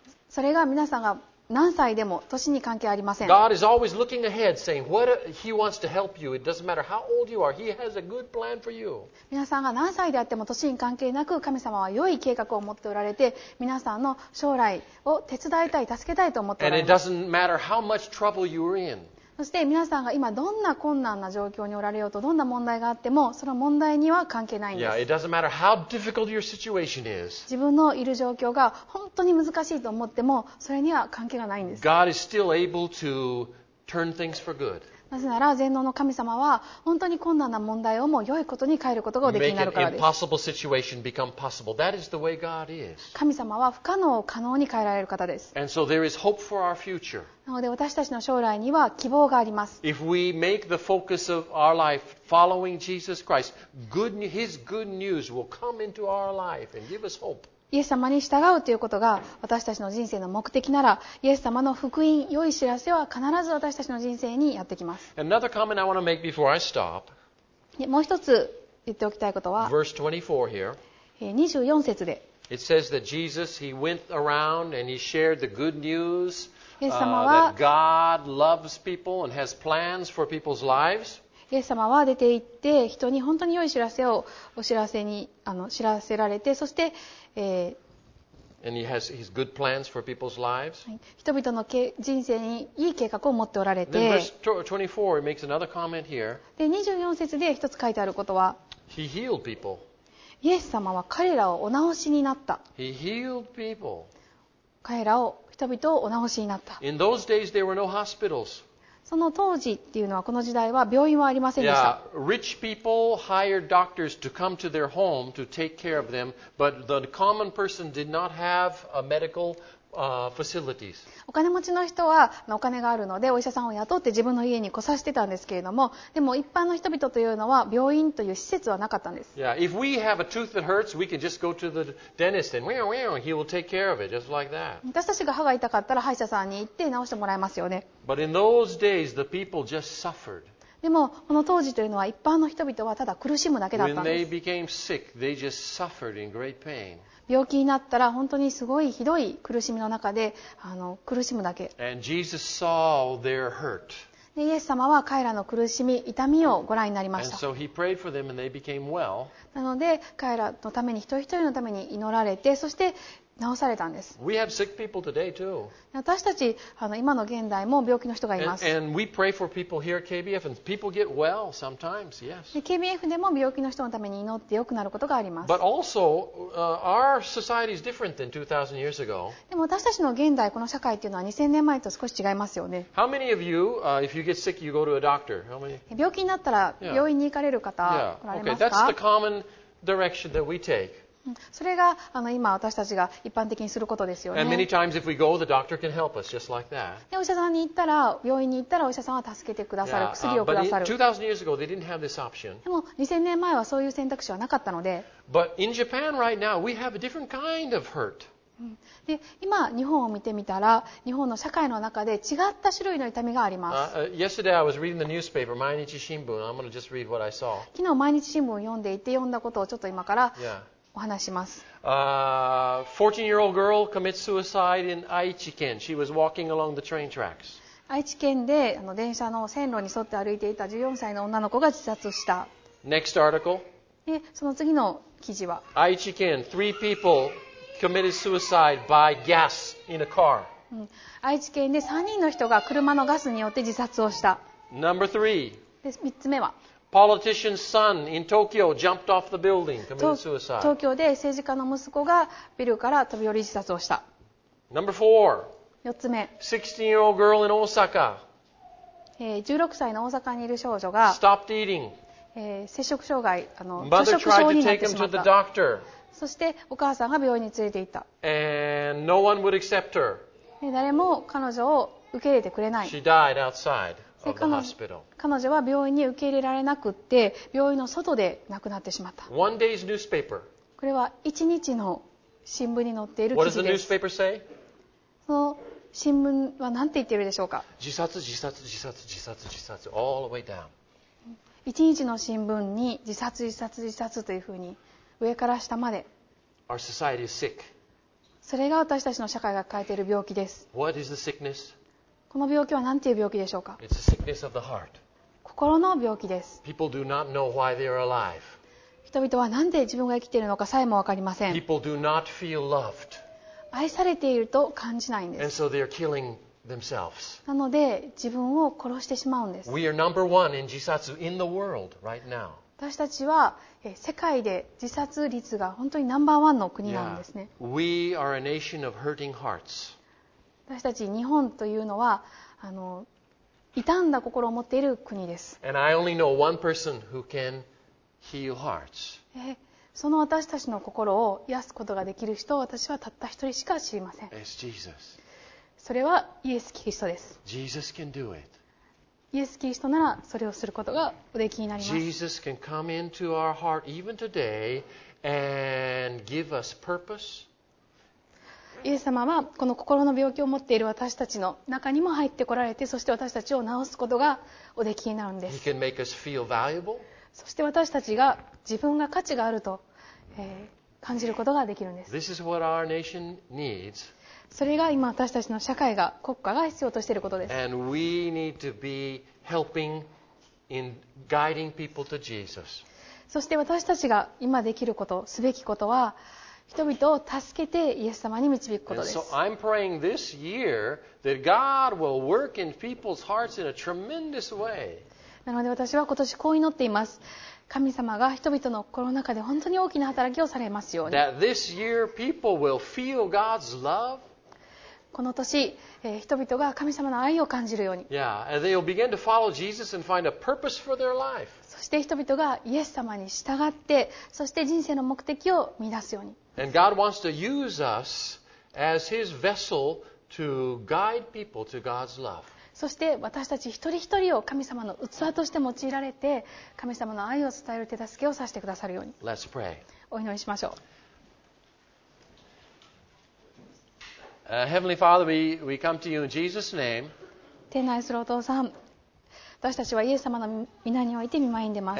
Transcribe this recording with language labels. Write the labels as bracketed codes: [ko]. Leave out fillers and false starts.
[ja] それが皆さんが何歳でも年に関係ありません。 [en] God is always looking ahead, saying what He wants to help you. It doesn't matter how old you are. He has a good plan for you. [ja] 皆さんが何歳であっても年に関係なく、神様は良い計画を持っておられて、皆さんの将来を手伝いたい、助けたいと思っております。 [en] And it doesn't matter how much trouble you are in. [ja] そして皆さんが今どんな困難な状況におられようと、どんな問題があっても、その問題には関係ないんです。 [en] Yeah, it doesn't matter how difficult your situation is. [ja] 自分のいる状況が本当に難しいと思っても、それには関係がないんです。 [en] God is still able to turn things for good. [ja] なぜなら全能の神様は本当に困難な問題をも良いことに変えることができるからです。 [en] Make an impossible situation become possible. That is the way God is. [ja] 神様は不可能を可能に変えられる方です。 [en] And so there is hope for our future. [ja] なので私たちの将来には希望があります。 [en] If we make the focus of our life following Jesus Christ, His good news will come into our life and give us hope. [ja] イエス様に従うということが私たちの人生の目的なら、イエス様の福音、良い知らせは必ず私たちの人生にやってきます。 [en] Another comment I want to make before I stop. [ja] もう一つ言っておきたいことは、 [en] Verse 24 here. [ja] 24節で、 [en] It says that Jesus, He went around and He shared the good news. [ja] イエス様は、 [en] God loves people and has plans for people's lives. [ja] イエス様は出て行って人に本当に良い知らせをお知らせに知らせられて、そして、 [en] And he has his good plans for people's lives. [ja] 人々の人生に良い計画を持っておられて、 [en] Verse 24 makes another comment here. [ja] で、24節で一つ書いてあることは、 [en] He healed people. [ja] イエス様は彼らをお治しになった。 [en] He healed people. [ja] 彼らを人々をお治しになった。 [en] In those days, there were no hospitals. [ja] その当時っていうのは、この時代は病院はありませんでした。 [en] Yeah, rich people hired doctors to come to their home to take care of them, but the common person did not have a medical, facilities. [ja] お金持ちの人はお金があるのでお医者さんを雇って自分の家に来させてたんですけれども、でも一般の人々というのは病院という施設はなかったんです。 [en] Yeah, if we have a tooth that hurts, we can just go to the dentist and wham, wham, he will take care of it, just like that. [ja] 私たちが歯が痛かったら歯医者さんに行って治してもらえますよね。 [en] But in those days, the people just suffered. [ja] でもこの当時というのは一般の人々はただ苦しむだけだったんです。 [en] When they became sick, they just suffered in great pain. [ja] 病気になったら本当にすごいひどい苦しみの中で苦しむだけ。 [en] And Jesus saw their hurt. [ja] でイエス様は彼らの苦しみ、痛みをご覧になりました。 [en] And so he prayed for them and they became well. [ja] なので彼らのために一人一人のために祈られて、そして治されたんです。 [en] We have sick people today too. [ja] 私たち今の現代も病気の人がいます。 [en] And we pray for people here at KBF, and people get well sometimes, yes. [ja] KBF でも病気の人のために祈って良くなることがあります。 [en] But also, our society is different than 2,000 years ago. [ja] でも私たちの現代、この社会っていうのは2000年前と少し違いますよね。 [en] How many of you, if you get sick, you go to a doctor? How many? [ja] 病気になったら病院に行かれる方、 yeah. おられますか？ [en] Okay, that's the common direction that we take. [ja] それが今私たちが一般的にすることですよね。 [en] And many times if we go, the doctor can help us, just like that. [ja] お医者さんに行ったら、病院に行ったらお医者さんは助けてくださる、 yeah. 薬をくださる。 [en] But 2000 years ago, they didn't have this option. [ja] でも2000年前はそういう選択肢はなかったので。 [en] But in Japan right now, we have a different kind of hurt. [ja] で今日本を見てみたら、日本の社会の中で違った種類の痛みがあります。 [en] Yesterday I was reading the newspaper, 毎日新聞. I'm going to just read what I saw. [ja] 昨日毎日新聞を読んでいて読んだことをちょっと今から、yeah. お話します。 [en] 14-year-old girl commits suicide in Aichi県. She was walking along the train tracks. [ja] 愛知県で電車の線路に沿って歩いていた14歳の女の子が自殺した。 [en] Next article. [ja] で、その次の記事は。 [en] 愛知県、3 people committed suicide by gas in a car. [ja] 愛知県で3人の人が車のガスによって自殺をした。 [en] Number three. [ja] で、3つ目は。 [en] Politician's son in Tokyo jumped off the building, committed suicide. [ja] 東京で政治家の息子がビルから飛び降り自殺をした。 [en] Number four. [ja] 4つ目、 [en] 16-year-old girl in Osaka. [ja] 16歳の大阪にいる少女が、 [en] stopped eating. [ja] 摂食障害、摂食症になってしまった。 [en] Mother tried [ja] to そしてお母さんが病院に連れて行った。 [en] And no one would accept her. [ja] 誰も彼女を受け入れてくれない。 [en] She died outside of the hospital. [ja] 彼女は病院に受け入れられなくって、病院の外で亡くなってしまった。 [en] One day's newspaper. [ja] これは1日の新聞に載っている記事です。 [en] What does the newspaper say? [ja] その新聞は何て言ってるでしょうか。自殺、自殺、自殺、自殺、自殺、 [en] all the way down。 [ja] 一日の新聞に自殺、自殺、自殺というふうに上から下まで。 [en] Our society is sick。 [ja] それが私たちの社会が抱えている病気です。 [en] What is the sickness? [ja] この病気は何ていう病気でしょうか。 [en] It's a sickness of the heart。 [ja] 心の病気です。 [en] People do not know why they are alive。 [ja] 人々はなんで自分が生きているのかさえもわかりません。 [en] People do not feel loved。 [ja] 愛されていると感じないんです。 [en] And so they are killing themselves. [ja] なので自分を殺してしまうんです。 [en] We are number one in 自殺 in the world right now. [ja] 私たちは世界で自殺率が本当にナンバーワンの国なんですね。 Yeah. [en] We are a nation of hurting hearts. [ja] 私たち日本というのは傷んだ心を持っている国です。 [en] And I only know one person who can heal hearts. [ja] その私たちの心を癒すことができる人を私はたった一人しか知りません。それはイエス・キリストです。 [en] Jesus can do it. [ja] イエス・キリストならそれをすることがおできになります。 [en] Jesus can come into our heart even today and give us purpose. [ja] イエス様はこの心の病気を持っている私たちの中にも入ってこられて、そして私たちを治すことがおできになるんです。 [en] He can make us feel valuable. [ja] そして私たちが自分が価値があると、感じることができるんです。 [en] This is what our nation needs. [ja] それが今私たちの社会が国家が必要としていることです。 [en] And we need to be helping in guiding people to Jesus. [ja] そして私たちが今できることすべきことは人々を助けてイエス様に導くことです。 [en] And so I'm praying this year that God will work in people's hearts in a tremendous way. [ja] なので私は今年こう祈っています。神様が人々の心の中で本当に大きな働きをされますように。 [en] That this year people will feel God's love. [ja] この年、人々が神様の愛を感じるように。 [en] Yeah, and they'll begin to follow Jesus and find a purpose for their life. [ja] そして人々がイエス様に従って、そして人生の目的を見出すように。 [en] And God wants to use us as His vessel to guide people to God's love. [ja] そして私たち一人一人を神様の器として用いられて、神様の愛を伝える手助けをさせてくださるように。 [en] Let's pray. [ja] お祈りしましょう。 [en] Heavenly Father, we come to you in Jesus' name. [ja] 天の愛するお父さん、私たちはイエス様の御名において御前に出ます。